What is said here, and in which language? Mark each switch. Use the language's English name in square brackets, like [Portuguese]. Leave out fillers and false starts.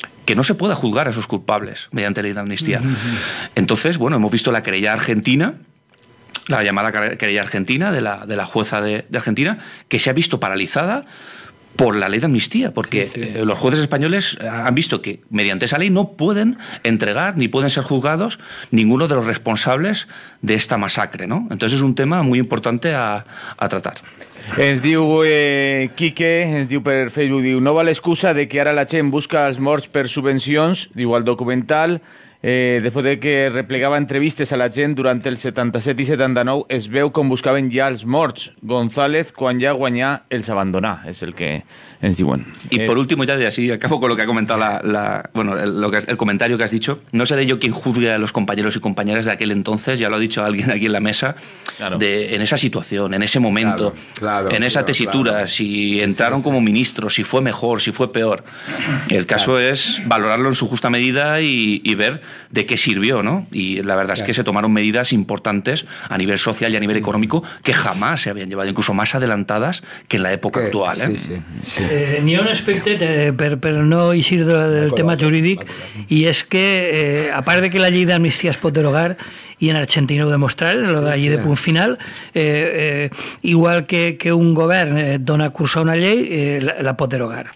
[Spanish] que no se pueda juzgar a esos culpables mediante ley de amnistía. Entonces, bueno, hemos visto la querella argentina, la llamada querella argentina de la jueza de Argentina, que se ha visto paralizada por la ley de amnistía, porque los jueces españoles han visto que mediante esa ley no pueden entregar ni pueden ser juzgados ninguno de los responsables de esta masacre, ¿no? Entonces es un tema muy importante a tratar. [Catalan] Ens diu Quique, ens diu per Facebook, diu, no val excusa de que ara la gent busca els morts per subvencions, diu el documental, després de que replegava entrevistes a la gent durant el 77 i 79, es veu com buscaven ja els morts. González, quan ja guanyà, els abandonà, és el que ens diuen. I per últim, ja d'així, acabo con lo que ha comentat [Spanish] el comentario que has dicho. No seré yo quien juzgue a los compañeros y compañeras de aquel entonces, ya lo ha dicho alguien aquí en la mesa, claro. En esa situación, en ese momento, esa tesitura, claro. Si entraron como ministros, si fue mejor, si fue peor. El caso es valorarlo en su justa medida y ver de qué sirvió, ¿no? Y la verdad es que se tomaron medidas importantes a nivel social y a nivel económico que jamás se habían llevado, incluso más adelantadas que en la época actual. [Catalan] Ni un aspecte, per no eixir del tema jurídic, i és que, a part de que la llei d'amnistia es pot derogar, i en Argentina ho demostrar, la llei de punt final, igual que un govern dona curs a una llei, la pot derogar.